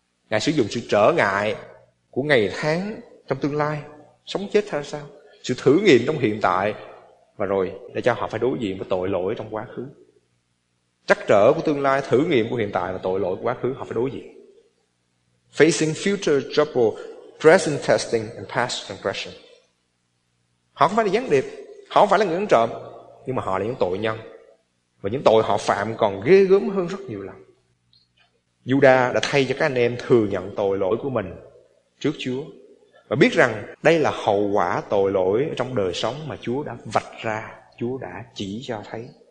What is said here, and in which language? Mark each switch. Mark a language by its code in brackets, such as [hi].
[vi] Ngài sử dụng sự trở ngại của ngày tháng trong tương lai, sống chết ra sao, sự thử nghiệm trong hiện tại, và rồi để cho họ phải đối diện với tội lỗi trong quá khứ. Trắc trở của tương lai, thử nghiệm của hiện tại và tội lỗi của quá khứ họ phải đối diện. [en] Facing future trouble, present testing and past transgression. [vi] Họ không phải là gián điệp, họ không phải là người ăn trộm, nhưng mà họ là những tội nhân. Và những tội họ phạm còn ghê gớm hơn rất nhiều lần. Giuđa đã thay cho các anh em thừa nhận tội lỗi của mình trước Chúa và biết rằng đây là hậu quả tội lỗi trong đời sống mà Chúa đã vạch ra, Chúa đã chỉ cho thấy.